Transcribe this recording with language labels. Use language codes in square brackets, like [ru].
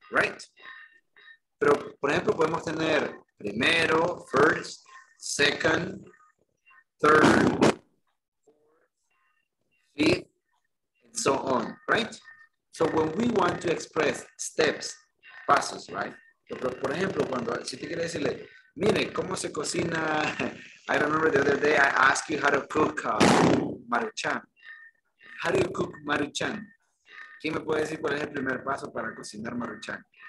[en] Right? [es] Pero, por ejemplo, podemos tener primero, [en] first, second, third, fifth, and so on, right? So when we want to express steps, pasos, right? [es] Pero, por ejemplo, cuando, si te quiere decirle, mire, ¿cómo se cocina? [en] I remember the other day I asked you how to cook maruchan. How do you cook maruchan? [es] ¿Quién me puede decir cuál es el primer paso para cocinar maruchan?